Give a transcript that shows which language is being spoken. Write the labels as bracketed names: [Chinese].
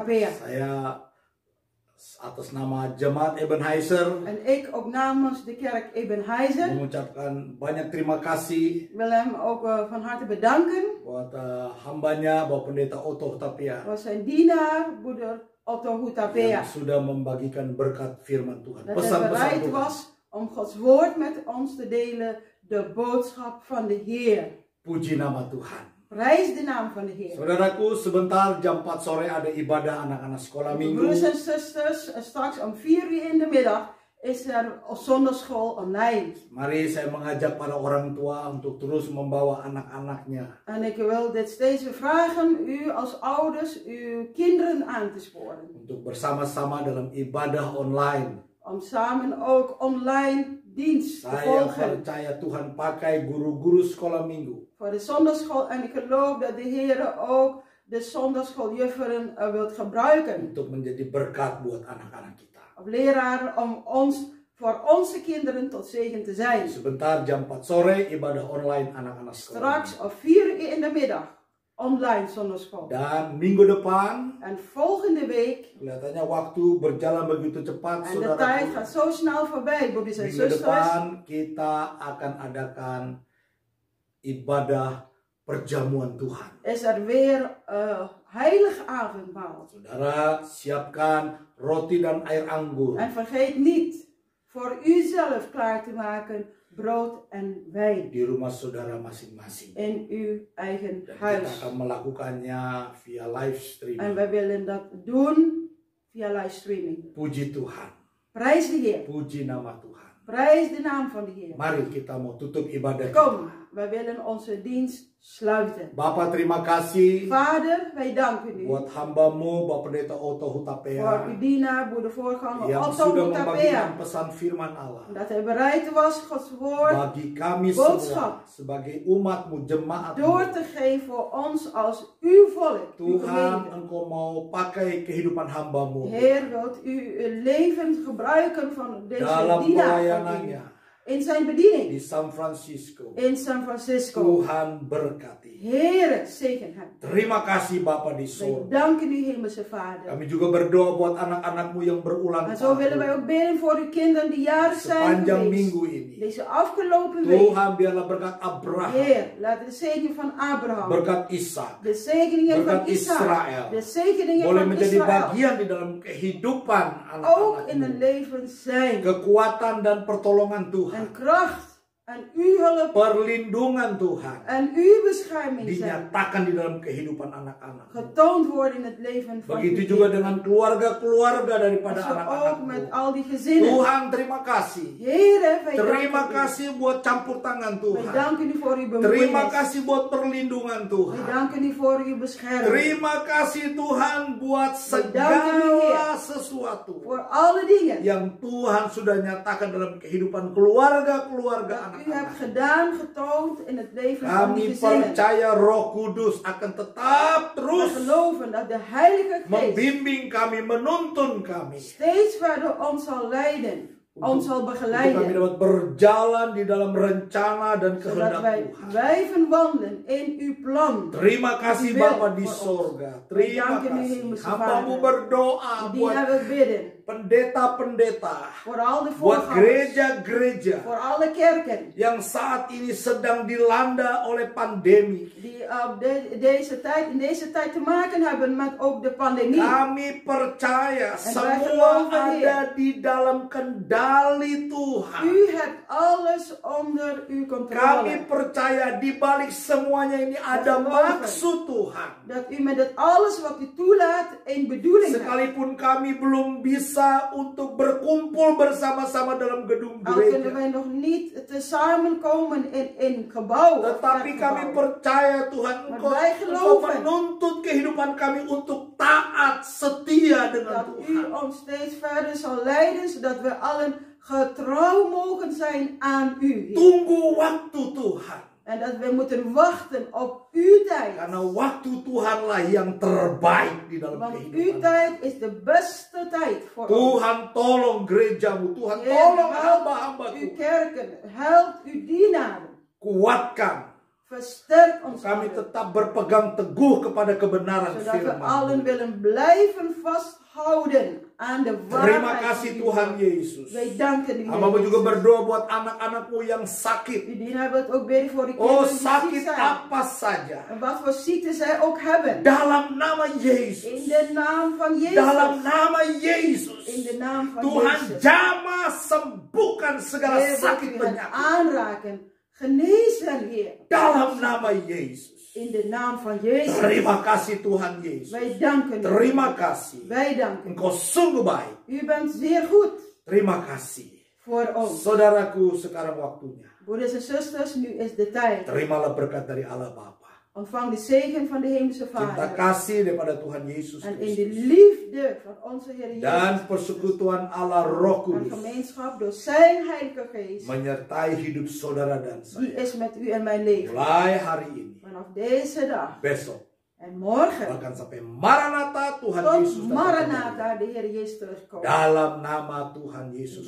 [Indonesian] Saya atas nama jemaat Ebenezer. [Dutch] En ik ook namens de kerk Ebenezer. [Indonesian] Mengucapkan banyak terima kasih. [Dutch] Wil hem ook van harte bedanken. [Indonesian] Buat hambanya Bapak Pendeta Otto Hutapea. [Dutch] Voor zijn dienaar broeder Otto Hutapea. [Indonesian] Yang sudah membagikan berkat firman Tuhan. Pesan-pesan [Dutch] bereid was om Gods woord met ons te delen, de boodschap van de Heer. [Indonesian] Puji nama Tuhan. [Dutch] Prijs de naam van de Heer. [Indonesian] Saudaraku, sebentar jam 4 sore ada ibadah anak-anak sekolah minggu. [Dutch] Broers en zusters, straks om 4 uur in de middag is er zondagschool online. [Indonesian] Mari saya mengajak para orang tua untuk terus membawa anak-anaknya. [Dutch] En ik wil dit steeds vragen u als ouders uw kinderen aan te sporen. [Indonesian] Untuk bersama-sama dalam ibadah online. [Dutch] Om samen ook online dienst te volgen. [Indonesian] Saya percaya Tuhan pakai guru-guru sekolah minggu. [Dutch] Voor de zondagschool en ik geloof dat de Heer ook de zondagschooljufferen wilt gebruiken. [Indonesian] Untuk menjadi berkat buat anak-anak kita. [Dutch] Of leraren om ons voor onze kinderen tot zegen te zijn. [Indonesian] Sebentar jam 4 sore ibadah online anak-anak sekolah. [Dutch] Straks of 4 uur in de middag. Online zondagschool. [Indonesian] Dan minggu depan. [Dutch] En volgende week. [Indonesian] Kelihatannya waktu berjalan begitu cepat. [Dutch] En de tijd gaat zo snel voorbij. Broeders en zusters. [Indonesian] Minggu depan kita akan adakan ibadah perjamuan Tuhan. [Dutch] Es er weer heilig avondmaal. [Indonesian] Saudara, siapkan roti dan air anggur. [Dutch] En vergeet niet voor uzelf klaar te maken brood en wijn. [Indonesian] Di rumah saudara masing-masing. [Dutch] In uw eigen huis. [Indonesian] Kita akan melakukannya via live streaming. [Dutch] En wij willen dat doen via live streaming. [Indonesian] Puji Tuhan. [Dutch] Prijs de Heer. [Indonesian] Puji nama Tuhan. [Dutch] Prijs de naam van de Heer. [Indonesian] Mari kita mau tutup ibadah. [Dutch] Kom. Wij willen onze dienst sluiten. [Indonesian] Bapa, terima kasih. [Dutch] Vader, wij danken u. [Indonesian] Buat hambamu, Bapak Pendeta Otto Hutapea. [Dutch] Voor uw dienaar, broeder voorganger Otto Hutapea. [Indonesian] Yang sudah membagikan pesan firman Allah. [Dutch] Dat hij bereid was Gods woord. [Indonesian] Bagi kami boodschap, semua. Sebagai umatmu, jemaatmu. [Dutch] Door te geven voor ons als uw volk. [Indonesian] Tuhan, engkau mau pakai kehidupan hambamu. [Dutch] Heer, wilt u uw leven gebruiken van deze [Indonesian] dalam [Dutch] dienaar. [Indonesian] Dalam pelayanannya. [Dutch] In zijn bediening. [Indonesian] Di San Francisco. [Dutch] In San Francisco. [Indonesian] Tuhan berkati. [Dutch] Heere, zegen hem. [Indonesian] Terima kasih Bapa di surga. [Dutch] Dank u, hemelse Vader. [Indonesian] Kami juga berdoa buat anak-anakmu yang berulang tahun. [Dutch] En zo willen wij ook bidden voor uw kinderen die jaar zijn geweest. [Indonesian] Sepanjang minggu ini. [Dutch] Deze afgelopen [Indonesian] week. Tuhan, biarlah berkat Abraham. [Dutch] Heer, laat de zegen van Abraham. [Indonesian] Berkat Ishak. [Dutch] De zegeningen [Indonesian] berkat [Dutch] van Ishak. Israel. De zegeningen van Israel. [Indonesian] Boleh menjadi bagian di dalam kehidupan anak-anakmu. [Dutch] Ook in het leven zijn. [Indonesian] Kekuatan dan pertolongan Tuhan. [Dutch] En kracht en uw hulp, [Indonesian] perlindungan Tuhan, [Dutch] en uw bescherming [Indonesian] dinyatakan di dalam kehidupan anak-anak, [Dutch] getoond worden in het leven van [Indonesian] begitu juga kind. Dengan keluarga-keluarga daripada [Dutch] dus [Indonesian] anak-anak [Dutch] met al die gezinnen. [Indonesian] Tuhan, terima kasih. [Dutch] Heere, [Indonesian] terima kasih buat campur tangan Tuhan. [Dutch] Bedanken u voor uw bemoeienis. [Indonesian] Terima kasih buat perlindungan Tuhan. [Dutch] Bedanken u voor uw bescherming. [Indonesian] Terima kasih Tuhan buat segala sesuatu [Dutch] voor alle dingen [Indonesian] yang Tuhan sudah nyatakan dalam kehidupan keluarga-keluarga. [Dutch] U hebt gedaan, getoond in het leven van [Indonesian] kami [Dutch] de gezinnen. [Indonesian] Kami percaya Roh Kudus akan tetap terus [Dutch] geloven dat de Heilige Geest [Indonesian] membimbing kami, menuntun kami. [Dutch] Steeds verder ons zal leiden, ons zal begeleiden. [Indonesian] Kami dapat berjalan di dalam rencana dan kehendak Tuhan. [Dutch] Zodat wij blijven wandelen in uw plan. [Indonesian] Terima kasih Bapa di sorga. Terima kasih. Hambamu berdoa buat pendeta-pendeta, buat gereja-gereja, [Dutch] for alle kerken, [Indonesian] yang saat ini sedang dilanda oleh pandemi, [Dutch] deze tijd te maken hebben met ook de pandemie. [Indonesian] Kami percaya semua ada di dalam kendali Tuhan. [Dutch] U hebt alles onder uw controle. [Indonesian] Kami percaya di balik semuanya ini ada maksud Tuhan. [Dutch] Dat u met alles wat u toelaat in bedoeling. [Indonesian] Sekalipun kami belum bisa untuk berkumpul bersama-sama dalam gedung gereja. [Dutch] Al kunnen wij nog niet tezamenkomen in gebouw. [Indonesian] Tetapi kami percaya Tuhan, Engkau menuntut kehidupan kami untuk taat setia dengan [Dutch] dat [Indonesian] Tuhan. [Dutch] Dat u ons steeds verder zal leiden, zodat we allen getrouw mogen zijn aan u. [Indonesian] Tunggu waktu Tuhan. [Dutch] En dat we moeten wachten op uw tijd. [Indonesian] Karena waktu Tuhanlah yang terbaik di dalam [Dutch] want [Indonesian] kehidupan. [Dutch] Uw tijd is [English] the best [Dutch] tijd voor [Indonesian] Tuhan us. Tolong gerejamu, Tuhan [Dutch] Heer, [Indonesian] tolong hamba-hambaku. [Dutch] Uw kerken, help uw dienaren. [Indonesian] Kuatkan. [Dutch] Versterk ons. [Indonesian] Kami tetap berpegang teguh kepada kebenaran firman. [Dutch] Zodat we allen willen blijven vasthouden. [Indonesian] Terima kasih Tuhan Yesus. Hamba-Mu juga berdoa buat anak-anakmu yang sakit. Oh, sakit apa saja. [Dutch] Wat voor ziekte zij ook hebben. [Indonesian] Dalam nama Yesus. [Dutch] In de naam van Yesus. [Indonesian] Dalam nama Yesus. [Dutch] In de naam van [Indonesian] Tuhan Yesus. Jamah sembuhkan segala [Dutch] Heer, [Indonesian] sakit penyakit. [Dutch] Aanraken, genezen Heer. [Indonesian] Dalam nama Yesus. [Dutch] In de naam van Jezus. [Indonesian] Terima kasih Tuhan Yesus. [Dutch] Wij danken u. [Indonesian] Terima kasih. [Dutch] Wij danken. [Indonesian] Engkau sungguh baik. [Dutch] U bent zeer goed. [Indonesian] Terima kasih. [Dutch] Voor ons. [Indonesian] Saudaraku, sekarang waktunya. [Dutch] Broeders en zusters, nu is de tijd. [Indonesian] Terimalah berkat dari Allah Bapa. [Dutch] Ontvang de zegen van de hemelse Vader. [Indonesian] Cinta kasih daripada Tuhan Yesus Kristus. [Dutch] En in de liefde van onze Heer Jezus. [Indonesian] Dan persekutuan Allah Roh Kudus. [Dutch] En gemeenschap door zijn Heilige Geest. [Indonesian] Menyertai hidup saudara dan saya. [Dutch] Die is met u en mijn leven. [Indonesian] Mulai hari ini. [Dutch] Vanaf deze dag. [Indonesian] Besok. [Dutch] En morgen. [Indonesian] Bahkan sampai Maranatha Tuhan [Dutch] tot [Indonesian] Yesus. [Dutch] Tot Maranatha de Heer Jezus terugkomt. [Indonesian] Dalam nama Tuhan Yesus Kristus.